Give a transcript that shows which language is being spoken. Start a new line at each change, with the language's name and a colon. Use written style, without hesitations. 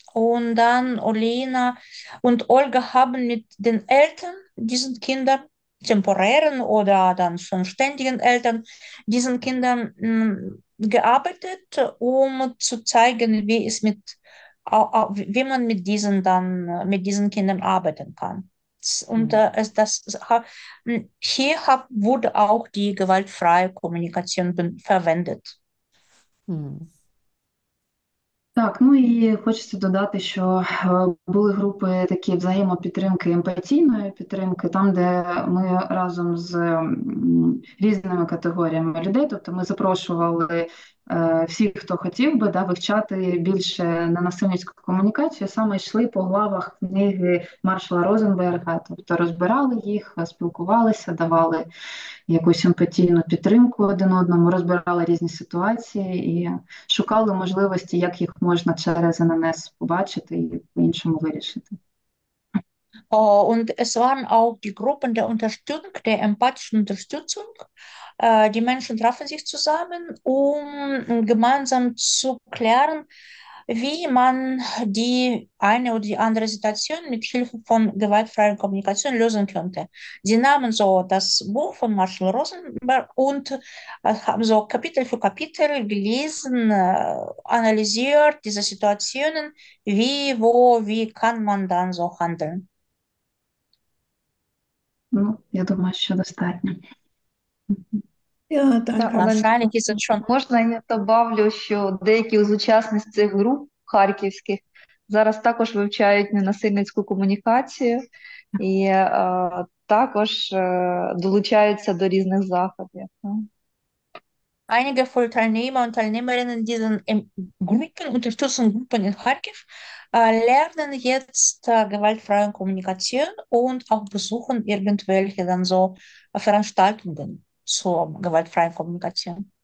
German: Und dann Olena und Olga haben mit den Eltern, diesen Kindern, temporären oder dann schon ständigen Eltern, diesen Kindern gearbeitet, um zu zeigen, wie es mit wie man mit diesen Kindern arbeiten kann. Und wurde auch die gewaltfreie Kommunikation verwendet.
Ukrainian: Так, ну і хочеться додати, що були групи такі взаємопідтримки, емпатійної підтримки, там, де ми разом з різними категоріями людей, тобто ми запрошували всіх, хто хотів би, да, вивчати більше ненасильницьку комунікацію, саме йшли по главах книги Маршала Розенберга, тобто розбирали їх, спілкувалися, давали якусь емпатійну підтримку один одному, розбирали різні ситуації і шукали можливості, як їх можна через ННС побачити і по-іншому вирішити.
German: Oh, und es waren auch die Gruppen der Unterstützung, der empathischen Unterstützung. Die Menschen trafen sich zusammen, um gemeinsam zu klären, wie man die eine oder die andere Situation mit Hilfe von gewaltfreier Kommunikation lösen könnte. Sie nahmen so das Buch von Marshall Rosenberg und haben so Kapitel für Kapitel gelesen, analysiert diese Situationen, wie, wo, wie kann man dann so handeln.
Ukrainian: Ну, я думаю, що достатньо. Я так, Та але Шайник і Сенчон. можна я добавлю, що деякі з учасниць цих груп харківських зараз також вивчають ненасильницьку комунікацію і також долучаються до різних заходів.
German: Einige von Teilnehmer und Teilnehmerinnen dieser Gruppen, Unterstützungsgruppen in Kharkiv, lernen jetzt gewaltfreie Kommunikation und auch besuchen irgendwelche dann so Veranstaltungen zur gewaltfreien Kommunikation.